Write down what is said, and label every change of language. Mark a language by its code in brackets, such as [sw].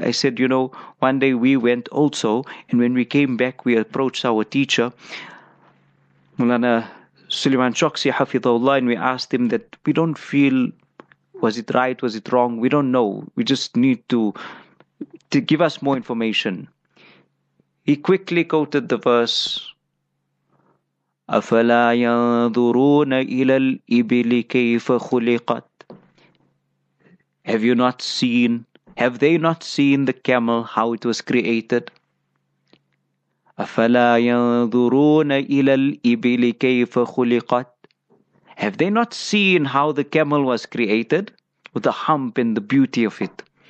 [en] I said, you know, one day we went also. And when we came back, we approached our teacher, Mulana Suleiman Choksi Hafidhullah, and we asked him that we don't feel, was it right, was it wrong? We don't know. We just need to give us more information. He quickly quoted the verse, [ar] أَفَلَا يَنظُرُونَ إِلَى الْإِبِلِ كَيْفَ خُلِقَتْ. [en] Have you not seen, have they not seen the camel, how it was created? [ar] أَفَلَا يَنظُرُونَ إِلَى الْإِبِلِ كَيْفَ خُلِقَتْ. [en] Have they not seen how the camel was created? With the hump and the beauty of it.